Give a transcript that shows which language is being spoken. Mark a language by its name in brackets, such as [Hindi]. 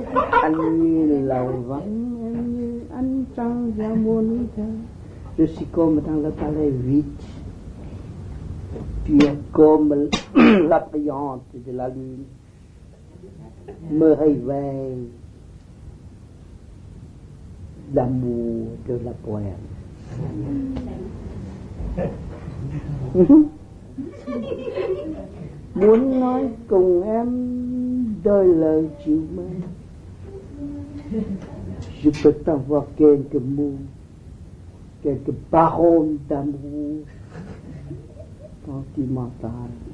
[Vietnamese] Anh như lầu vắng, anh như ánh trăng ra muôn thơ. [French] Je suis comme dans le palais vide. Tu es comme la brillante de la lune. Me réveille l'amour de la poème. [Vietnamese] Muốn nói cùng em đôi lời chiều mến. [French] Je peux t'avoir quelques mots, quelques paroles d'amour, quand tu m'entends.